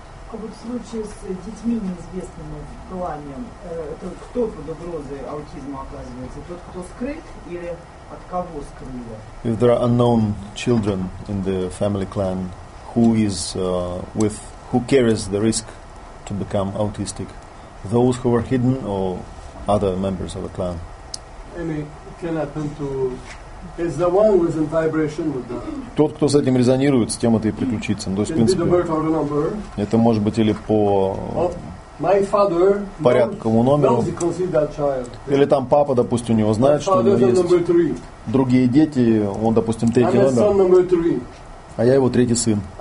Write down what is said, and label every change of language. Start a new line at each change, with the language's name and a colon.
Russian: Как вот в случае с детьми неизвестными в плане, это кто под угрозой аутизма оказывается? Тот, кто скрыт, или от кого скрыли?
English: If there are unknown children in the family clan, who is with, who carries the risk to become autistic? Those who were hidden or other members of the clan? Any can happen to is the one who is in vibration with that.
Russian: Тот, кто с этим резонирует, с тем это и приключится. То есть, в принципе, это может быть или по порядковому номеру, или там папа, допустим, у него знает, что у него есть другие дети, он, допустим, третий номер, а я его третий сын.